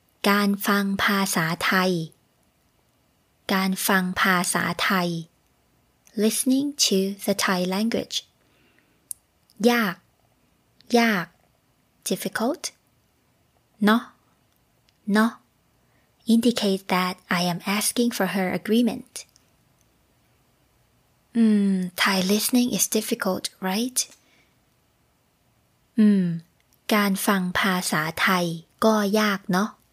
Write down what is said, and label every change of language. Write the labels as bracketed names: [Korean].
[Thai] การฟังภาษาไทยการฟังภาษาไทย [English] listening to the Thai language [Thai] ยาก [English] difficult [Thai] เนาะ [English] No, indicate that I am asking for her agreement. Thai listening is difficult, right? [Thai] การฟังภาษาไทยก็ยากเนาะ